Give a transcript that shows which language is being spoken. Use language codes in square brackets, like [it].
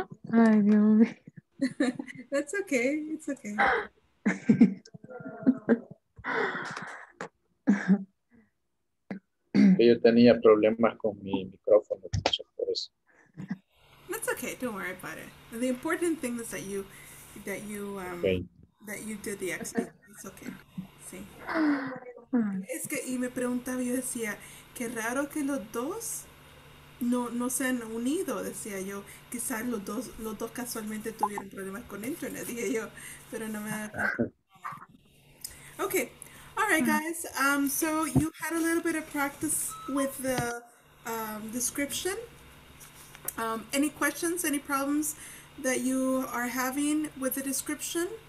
[es] Ay, Dios mío. [en] That's okay, it's okay. [es] Yo tenía problemas con mi micrófono, por eso. [en] That's okay, don't worry about it. The important thing is that you did the exercise. It's okay. Sí. [es] Es que, y me preguntaba, yo decía, qué raro que los dos no se han unido, decía yo. Quizás los dos casualmente tuvieron problemas con internet, dije yo, pero no me da cuenta. [en] Okay. All right, guys. So you had a little bit of practice with the description. Any questions, any problems that you are having with the description?